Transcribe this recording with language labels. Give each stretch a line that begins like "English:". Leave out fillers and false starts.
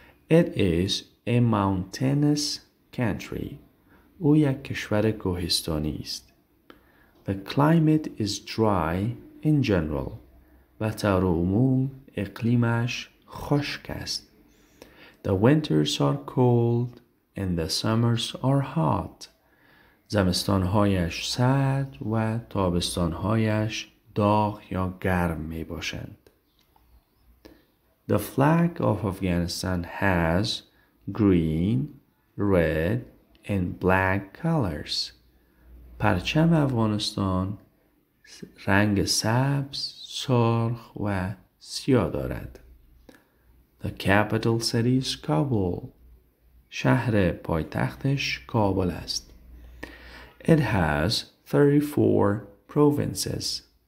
English: It is a mountainous country.
Persian: او یک کشور کوهستانی است.
English: The climate is dry in general.
Persian: به طور عموم اقلیمش خشک است.
English: The winters are cold and the summers are hot.
Persian: زمستانهایش سرد و تابستانهایش داغ یا گرم می باشند.
English: The flag of Afghanistan has green, red and black colors.
Persian: پرچم افغانستان رنگ سبز، سرخ و سیاه دارد.
English: The capital city is Kabul.
Persian: شهر پایتختش کابل است.
English: It has 34 provinces.